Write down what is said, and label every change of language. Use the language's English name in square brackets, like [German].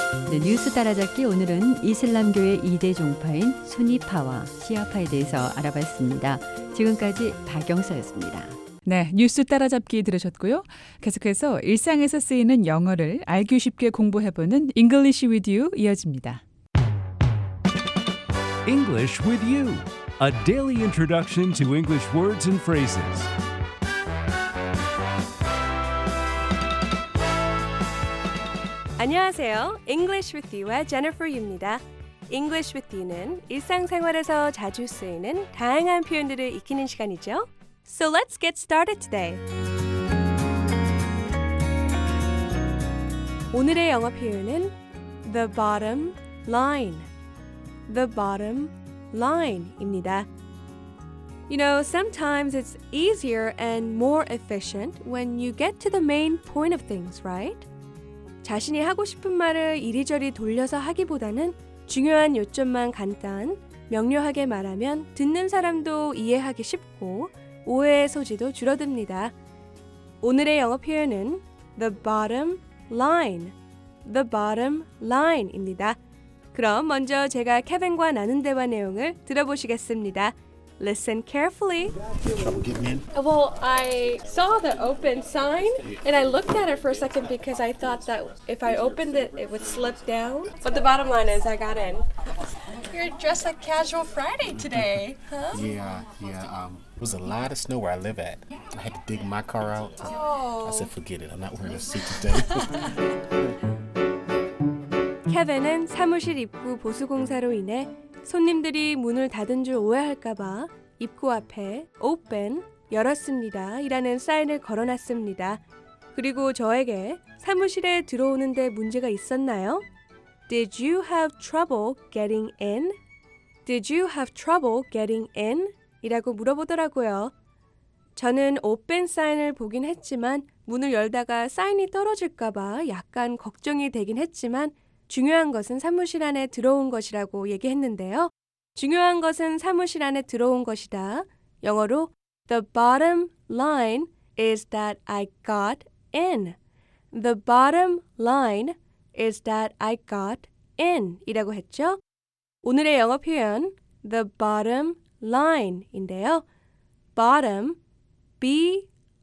[Korean] 네, 뉴스 따라잡기 오늘은 이슬람교의 2대 종파인 수니파와 시아파에 대해서 알아봤습니다. 지금까지 박영서였습니다. 네, 뉴스 따라잡기 들으셨고요. 계속해서 일상에서 쓰이는 영어를 알기 쉽게 공부해보는 English with you 이어집니다. [English] English with you, a daily introduction to English words and phrases. [Korean] 안녕하세요. English with you와 제니퍼입니다. English with you는 일상생활에서 자주 쓰이는 다양한 표현들을 익히는 시간이죠. [English] So let's get started today. [Korean] 오늘의 영어 표현은 the bottom line. [English] The bottom line입니다. You know, sometimes it's easier and more efficient when you get to the main point of things, right? [Korean] 자신이 하고 싶은 말을 이리저리 돌려서 하기보다는 중요한 요점만 간단, 명료하게 말하면 듣는 사람도 이해하기 쉽고 오해의 소지도 줄어듭니다. 오늘의 영어 표현은 the bottom line, the bottom line입니다. 그럼 먼저 제가 케빈과 나눈 대화 내용을 들어보시겠습니다. [English] Listen carefully. Trouble getting in? Well, I saw the open sign and I looked at it for a second because I thought that if I opened it, it would slip down. But the bottom line is I got in. You're dressed like casual Friday today, huh? Yeah. It was a lot of snow where I live at. I had to dig my car out. Oh. I said, forget it. I'm not wearing a suit today. [Korean] Kevin은 사무실 입구 보수 공사로 인해 손님들이 문을 닫은 줄 오해할까봐 입구 앞에 Open, 열었습니다 이라는 사인을 걸어놨습니다. 그리고 저에게 사무실에 들어오는데 문제가 있었나요? [English] Did you have trouble getting in? Did you have trouble getting in? [Korean] 이라고 물어보더라고요. 저는 Open 사인을 보긴 했지만 문을 열다가 사인이 떨어질까봐 약간 걱정이 되긴 했지만 중요한 것은 사무실 안에 들어온 것이라고 얘기했는데요. 중요한 것은 사무실 안에 들어온 것이다. 영어로 [English] The bottom line is that I got in. The bottom line is that I got in. [Korean] 이라고 했죠. 오늘의 영어 표현 The bottom line인데요. Bottom, B-O-T-T-O-M,